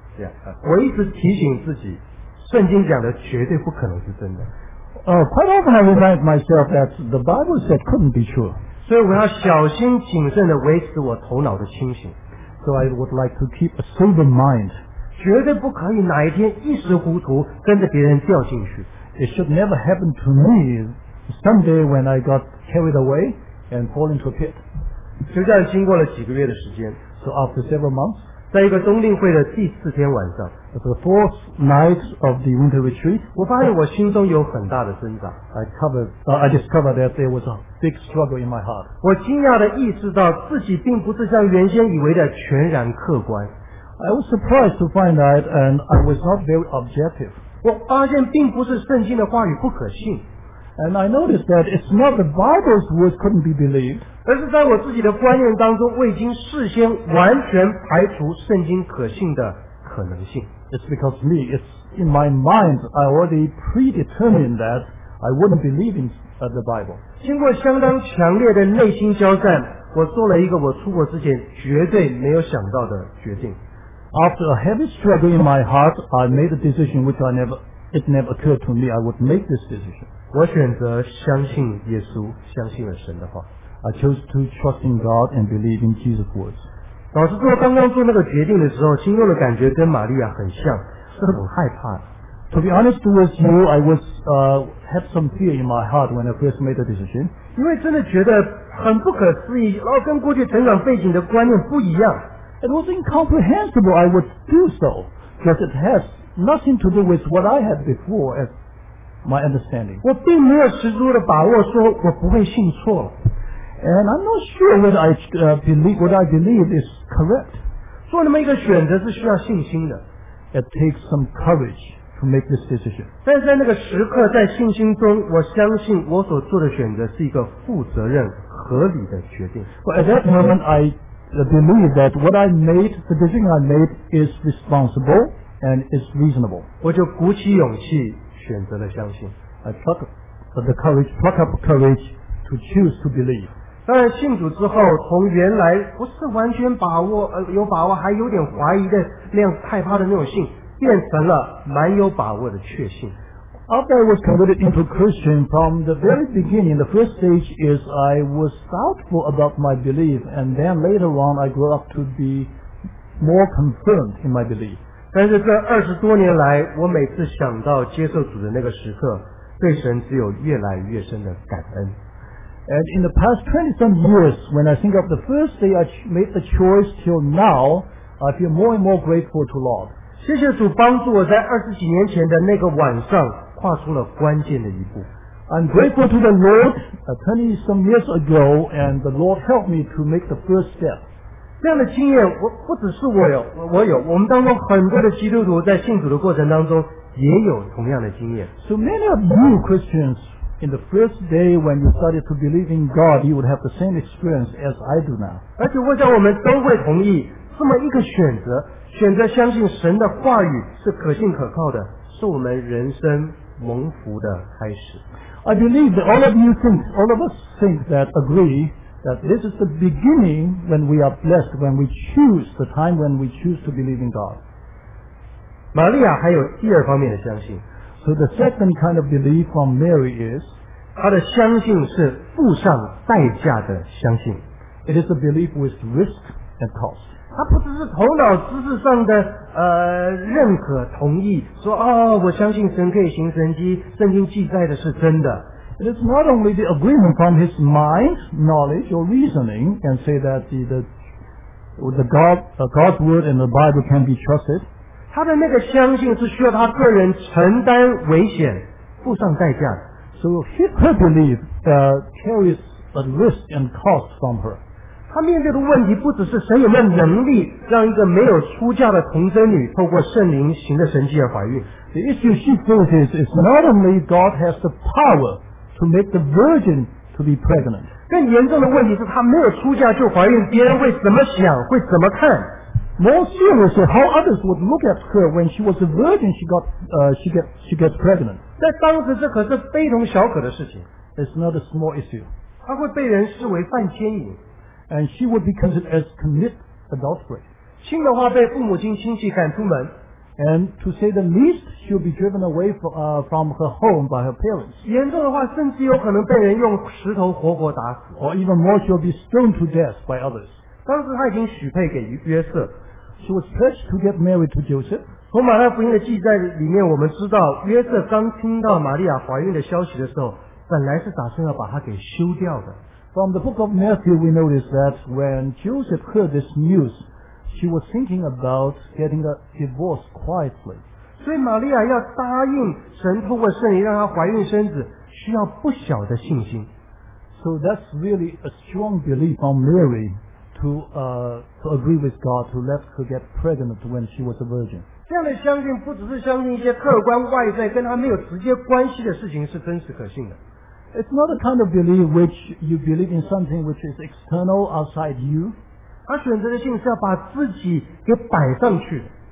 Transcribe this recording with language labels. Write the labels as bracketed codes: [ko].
[en] Yeah. [zh] 我一直提醒自己，圣经讲的绝对不可能是真的。 [en] Quite often I remind myself that the Bible said couldn't be true. [zh] 所以我要小心谨慎地维持我头脑的清醒。 [en] So I would like to keep a sober mind. [zh] 绝对不可以哪一天一时糊涂跟着别人掉进去。 [en] It should never happen to me someday when I got carried away and fall into a pit. [zh] 就这样经过了几个月的时间。 [en] So after several months, [zh] 在一个冬令会的第四天晚上 [en] ，the fourth night of the winter retreat, [zh] 我发现我心中有很大的挣扎。 [en] I discovered that there was a big struggle in my heart. [zh] 我惊讶地意识到自己并不是像原先以为的全然客观。 [en] I was surprised to find that, and I was not very objective. [zh] 我发现并不是圣经的话语不可信。 [en] And I noticed that it's not the Bible's words couldn't be believed. [zh] 而是在我自己的观念当中，我已经事先完全排除圣经可信的可能性。 [en] It's because me, it's in my mind, I already predetermined that I wouldn't believe in the Bible. [zh] 经过相当强烈的内心交战，我做了一个我出国之前绝对没有想到的决定。 [en] After a heavy struggle in my heart, I made a decision which it never occurred to me I would make this decision. [zh] 我选择相信耶稣，相信了神的话。 [en] I chose to trust in God and believe in Jesus' words. [zh] 老实说，刚刚做那个决定的时候，心中的感觉跟玛利亚很像，是很害怕。 [en] To be honest with you, I was had some fear in my heart when I first made the decision. [zh] 因为真的觉得很不可思议，然后跟过去成长背景的观念不一样。 [en] It was incomprehensible I would do so, because it has nothing to do with what I had before as my understanding. [zh] 我并没有十足的把握说我不会信错了。 [en] And I'm not sure what I believe is correct. [zh] 做那么一个选择是需要信心的。 [en] It takes some courage to make this decision. [zh] 但是在那个时刻，在信心中，我相信我所做的选择是一个负责任、合理的决定。 [en] But at that moment, I believe that what I made, the decision I made is responsible and is reasonable. [zh] 我就鼓起勇气选择了相信。 [en] I pluck up courage to choose to believe. [zh] 当然信主之后，从原来不是完全把握有把握还有点怀疑的那样害怕的那种信，变成了蛮有把握的确信。 [en] After I was converted into Christian, from the very beginning, the first stage is I was doubtful about my belief, and then later on, I grew up to be more confirmed in my belief. [zh] 但是这二十多年来，我每次想到接受主的那个时刻，对神只有越来越深的感恩。 [en] And in the past 20-some years, when I think of the first day I made the choice till now, I feel more and more grateful to Lord. [zh] 谢谢主帮助我在二十几年前的那个晚上跨出了关键的一步。 [en] I'm grateful to the Lord 20 some years ago, and the Lord helped me to make the first step. [zh] 这样的经验，不只是我有，我们当中很多的基督徒在信主的过程当中也有同样的经验。 [en] So many of you Christians, in the first day when you started to believe in God, you would have the same experience as I do now. [zh] 而且我想我们都会同意，这么一个选择，选择相信神的话语是可信可靠的，是我们人生蒙福的开始。 [en] I believe that all of us think that agree that this is the beginning when we are blessed, when we choose the time when we choose to believe in God. [zh] 玛利亚还有第二方面的相信。 [en] So the second kind of belief from Mary is [zh] 她的相信是付上代价的相信。 [en] It is a belief with risk and cost. [zh] 他不只是头脑知识上的认可同意，说哦，我相信神可以行神迹，圣经记载的是真的。 [en] It is not only the agreement from his mind, knowledge, or reasoning, and say that God's word and the Bible can be trusted. [zh] 他的那个相信是需要他个人承担危险，付上代价。 [en] So her belief carries a risk and cost from her. [zh] 他面对的问题不只是神有没有能力让一个没有出嫁的童贞女透过圣灵行的神迹而怀孕。 [en] The issue she faces is not only God has the power to make the virgin to be pregnant. [zh] 更严重的问题是她没有出嫁就怀孕，别人会怎么想，会怎么看 [en] more seriously how others would look at her when she was a virgin, she gets pregnant. [zh] 在当时这可是非同小可的事情。 [en] It's not a small issue. [zh] 她会被人视为犯奸淫。 [en] And she would be considered as commit adultery. [zh] 轻的话被父母亲亲戚赶出门。 [en] And to say the least, she'll be driven away from her home by her parents. [zh] 严重的话，甚至有可能被人用石头活活打死。 [en] Or even more, she'll be stoned to death by others. [zh] 当时她已经许配给约瑟。 [en] She was pledged to get married to Joseph. [zh] 从马太福音的记载里面，我们知道约瑟刚听到玛利亚怀孕的消息的时候，本来是打算要把她给休掉的。 [en] From the book of Matthew, we notice that when Joseph heard this news. She was thinking about getting a divorce quietly. [zh] 所以玛利亚要答应神透过圣灵让她怀孕生子，需要不小的信心。 [en] So that's really a strong belief on Mary to agree with God to let her get pregnant when she was a virgin. [zh] 这样的相信不只是相信一些客观外在跟她没有直接关系的事情是真实可信的。 [en] It's not a kind of belief which you believe in something which is external outside you. [zh] 他选择的信是要把自己给摆上去的。